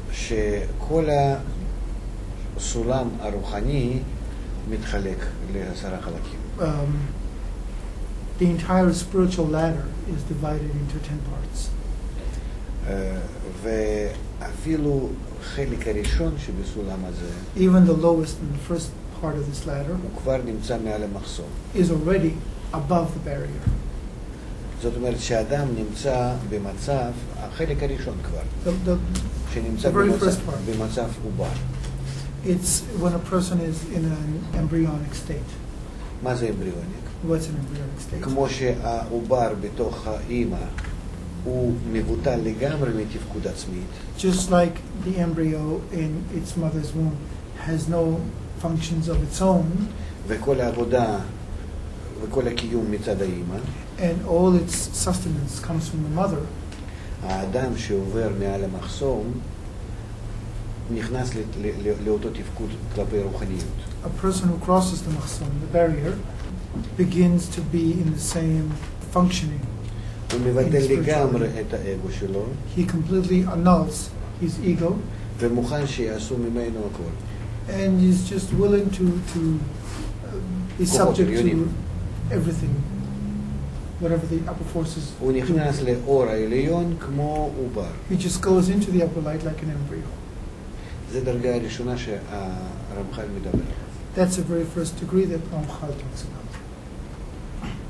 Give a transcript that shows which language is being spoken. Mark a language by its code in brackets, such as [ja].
[he] שכל הסולם הרוחני מתחלק לעשרה חלקים. [en] The entire spiritual ladder is divided into 10 parts. [he] ואפילו חלק הראשון שבסולם הזה, [en] even the lowest and the first part of this ladder, [he] הוא כבר נמצא מעל המחסום, [en] is already above the barrier. [he] זאת אומרת שאדם נמצא במצב, החלק הראשון כבר, [en] שנמצא the very [he] במצב, [en] first part. [he] במצב הובה. [en] It's when a person is in an embryonic state. [he] מה זה אמבריוניק? [en] What's an embryonic state? [he] כמו שהעובר בתוך האמא הוא מבוטל לגמרי מתפקוד עצמית. [en] Just like the embryo in its mother's womb has no functions of its own. [he] וכל העבודה וכל הקיום מצד האמא. [en] And all its sustenance comes from the mother. [he] האדם שעובר מעל המחסום נכנס לאותו תפקוד כלפי רוחניות. [en] A person who crosses the machson, the barrier, begins to be in the same functioning. He completely annuls his ego. And he's just willing to be subject to everything, whatever the upper forces do. He just goes into the upper light like an embryo. [he] זה דרגה הראשונה שהרמח"ל מדבר. [en] That's the very first degree that Ramchal talks about.